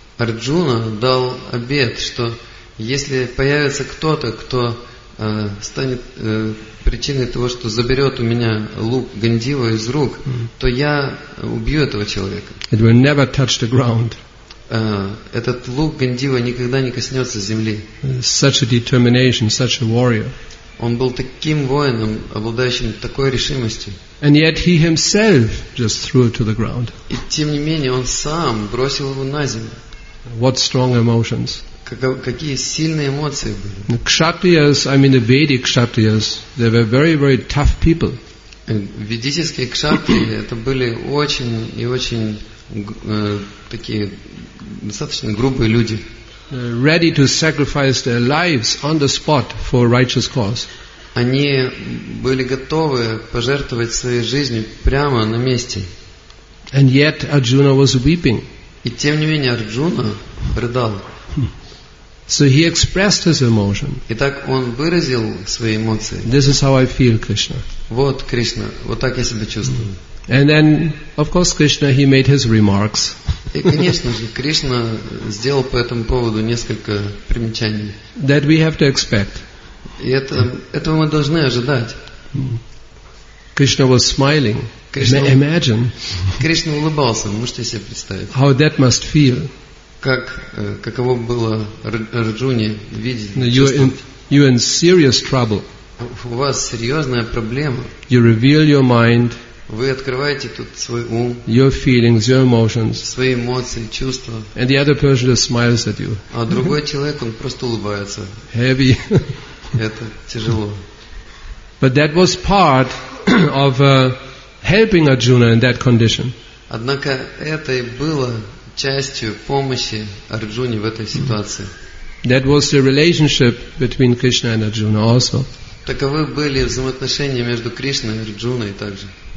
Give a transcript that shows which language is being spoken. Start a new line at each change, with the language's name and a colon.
Russian: Арджуна дал обет, что если появится кто-то, кто станет причиной того, что заберет у меня лук Гандива из рук, то я убью этого человека.
English: It will never touch the ground.
Russian: Этот лук Гандива никогда не коснется земли.
English: Such a determination, such a warrior.
Russian: Он был таким воином, обладающим такой решимостью.
English: And yet he himself just threw it to the ground.
Russian: И тем не менее он сам бросил его на землю.
English: What strong emotions!
Russian: Какие сильные эмоции были!
English: The kshatriyas, I mean the Vedic kshatriyas, they were very, very tough people.
Russian: Ведические кшатрии это были очень и очень такие достаточно грубые люди.
English: Ready to sacrifice their lives on the spot for a righteous cause.
Russian: Они были готовы пожертвовать своей жизнью прямо на месте.
English: And yet Arjuna was weeping.
Russian: И тем не менее Арджуна рыдал.
English: So he expressed his emotion.
Russian: Итак, он выразил свои эмоции.
English: This is how I feel, Krishna.
Russian: Вот, Кришна, вот так я себя чувствую.
English: And then, of course, Krishna, he made his remarks.
Russian: И, конечно же, Кришна сделал по этому поводу несколько примечаний.
English: That we have to expect.
Russian: И этого мы должны ожидать.
English: Krishna was smiling. Krishna, imagine.
Russian: Кришна улыбался, можете себе представить.
English: How that must feel.
Russian: Как, каково было Арджуне видеть, чувствовать.
English: You're in serious trouble.
Russian: У вас серьезная проблема.
English: You reveal your mind.
Russian: Вы открываете тут свой ум,
English: your feelings, your emotions,
Russian: свои эмоции, чувства,
English: and the other person just smiles at you.
Russian: А другой человек, он просто улыбается.
English: Heavy.
Russian: Это тяжело.
English: But that was part of helping Arjuna in that condition.
Russian: Однако это и было частью помощи Арджуне в этой ситуации.
English: That was the relationship between Krishna and Arjuna also.
Russian: Таковы были взаимоотношения между Кришной и Арджуной также.